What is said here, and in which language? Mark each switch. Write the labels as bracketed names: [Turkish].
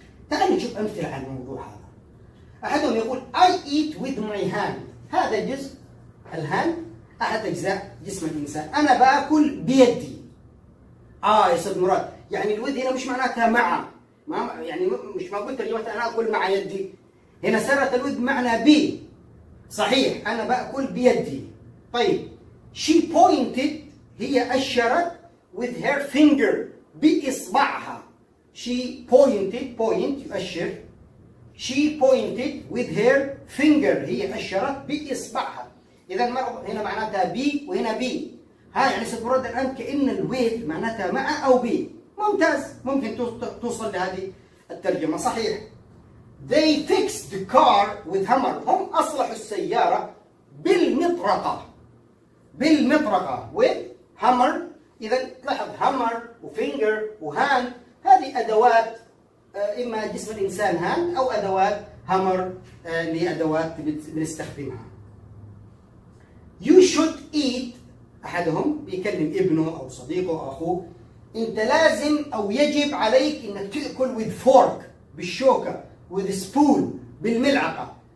[Arabic] تعالوا نشوف امثله على الموضوع هذا. احدهم يقول [English] I eat with my hand، [Arabic] هذا جزء الهاند، احد اجزاء جسم الانسان، انا باكل بيدي. يا استاذ مراد، يعني الود هنا مش معناتها مع، ما يعني مش ما قلت اليوم انا اكل مع يدي، هنا صارت الود معنى بي. صحيح، انا باكل بيدي. طيب [English] she pointed، [Arabic] هي اشرت [English] with her finger، [Arabic] باصبعها. [English] she pointed، [Arabic] point يؤشر، [English] she pointed with her finger، [Arabic] هي اشرت باصبعها. اذا هنا معناتها بي وهنا بي، ها يعني استاذ مراد الان كان الويد معناتها مع او بي. ممتاز، ممكن توصل لهذه الترجمه. صحيح، [English] they fixed the car with hammer، [Arabic] هم اصلحوا السياره بالمطرقه، بالمطرقه [English] with hammer. [Arabic] اذا لاحظ hammer وfinger وhand، هذه ادوات اما جسم الانسان hand او ادوات hammer، اللي ادوات بنستخدمها. [English] You should eat، [Arabic] احدهم بيكلم ابنه او صديقه او اخوه، انت لازم او يجب عليك انك تاكل [English] with fork، [Arabic] بالشوكه، [English] with spoon، [Arabic] بالملعقه.